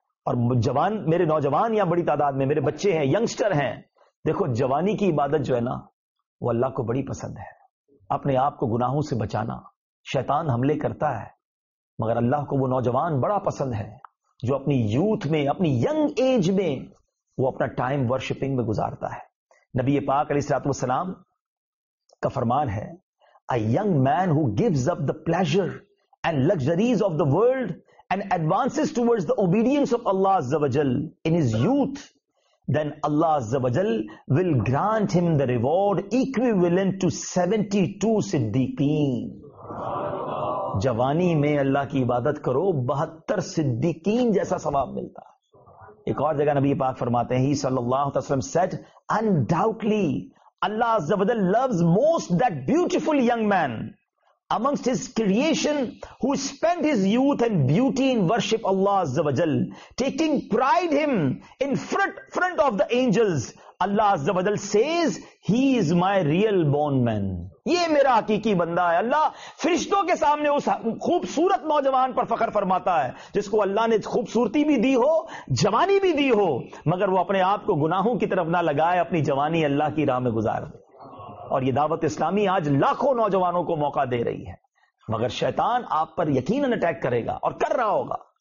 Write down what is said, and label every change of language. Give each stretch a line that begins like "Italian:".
Urdu: اور جوان میرے نوجوان یا بڑی تعداد میں میرے بچے ہیں, ینگسٹر ہیں, دیکھو جوانی کی عبادت جو ہے نا وہ اللہ کو بڑی پسند ہے, اپنے آپ کو گناہوں سے بچانا. شیطان حملے کرتا ہے مگر اللہ کو وہ نوجوان بڑا پسند ہے جو اپنی یوتھ میں, اپنی ینگ ایج میں وہ اپنا ٹائم ورشپنگ میں گزارتا ہے. نبی پاک علیہ الصلوۃ والسلام کا فرمان ہے,
English: A young man who gives up the pleasure and luxuries of the world and advances towards the obedience of Allah Azza wa Jal in his youth, then Allah Azza wa Jal will grant him the reward equivalent to 72 Siddiqeen.
Urdu: جوانی میں اللہ کی عبادت کرو, 72 صدیقین جیسا ثواب ملتا ہے. ایک اور جگہ نبی پاک فرماتے ہیں,
English: He صلی اللہ علیہ وسلم said, undoubtedly Allah Azza wa Jal loves most that beautiful young man amongst his creation who spent his youth and beauty in worship Allah Azza wa Jal, taking pride him in front of the angels. Allah Azza wa Jal says, he is my real born man.
Urdu: یہ میرا حقیقی بندہ ہے. اللہ فرشتوں کے سامنے اس خوبصورت نوجوان پر فخر فرماتا ہے جس کو اللہ نے خوبصورتی بھی دی ہو, جوانی بھی دی ہو, مگر وہ اپنے آپ کو گناہوں کی طرف نہ لگائے, اپنی جوانی اللہ کی راہ میں گزار دے. اور یہ دعوت اسلامی آج لاکھوں نوجوانوں کو موقع دے رہی ہے, مگر شیطان آپ پر یقیناً اٹیک کرے گا اور کر رہا ہوگا.